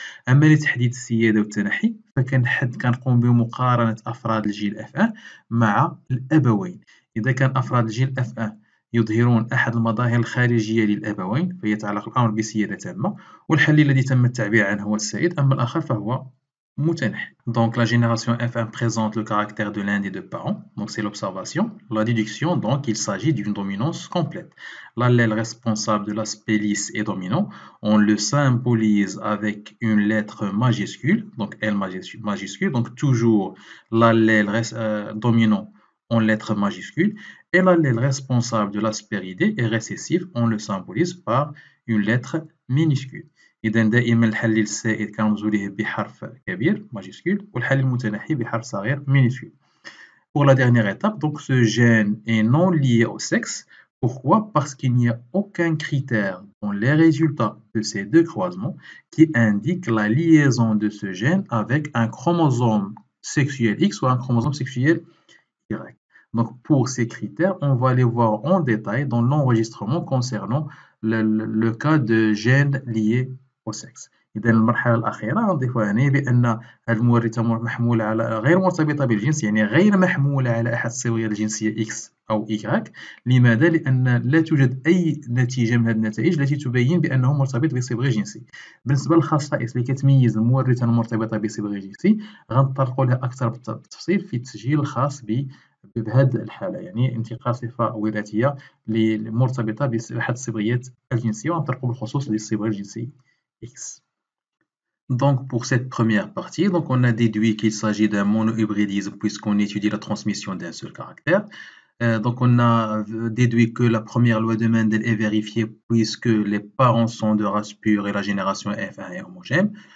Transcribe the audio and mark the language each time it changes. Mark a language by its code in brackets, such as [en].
[ar] اما لتحديد السياده والتنحي كنقوم بمقارنه افراد الجيل اف ان مع الابوين. اذا كان افراد الجيل اف ان يظهرون احد المظاهر الخارجيه للابوين، فيتعلق الامر بسياده تامه، والحليل الذي تم التعبير عنه هو السائد، اما الاخر فهو [fr] Donc la génération F1 présente le caractère de l'un des deux parents, donc c'est l'observation. La déduction, donc il s'agit d'une dominance complète. L'allèle responsable de l'aspect lisse est dominant, on le symbolise avec une lettre majuscule, donc L majuscule, donc toujours l'allèle dominant en lettre majuscule, et l'allèle responsable de l'aspect ridé est récessif, on le symbolise par une lettre minuscule. [ar] إذن دائما الحليل السائد كنرمزو ليه بحرف كبير ماجيسكول، والحليل المتنحي بحرف صغير مينيسكول. [fr] Pour la dernière étape, donc ce gène est non lié au sexe, Pourquoi? Parce qu'il n'y a aucun critère dans les résultats de ces deux croisements qui indique la liaison de ce gène avec un chromosome sexuel X ou un chromosome sexuel Y. Donc, pour ces critères, on va les voir en détail dans l'enregistrement concernant le cas de gènes liés au sexe. [ar] إذا المرحلة الأخيرة عندي يعني بأن المورثة محمولة على غير مرتبطة بالجنس، يعني غير محمولة على أحد الصبغات الجنسية X أو Y. لماذا؟ لأن لا توجد أي نتيجة من هذه النتائج التي تبين بأنه مرتبط بصبغة جنسي. بالنسبة للخصائص اللي كتميز المورثة المرتبطة بصبغة جنسي، غنطرقوا لها أكثر بالتفصيل في التسجيل الخاص بهذه الحالة، يعني انتقال صفة وراثية مرتبطة بأحد الصبغيات الجنسية، وغنطرقوا بالخصوص للصبغة الجنسية X. [fr] Donc pour cette première partie, donc on a déduit qu'il s'agit d'un monohybridisme puisqu'on étudie la transmission d'un seul caractère. Donc on a déduit que la première loi de Mendel est vérifiée puisque les parents sont de race pure et la génération F1 est homogène.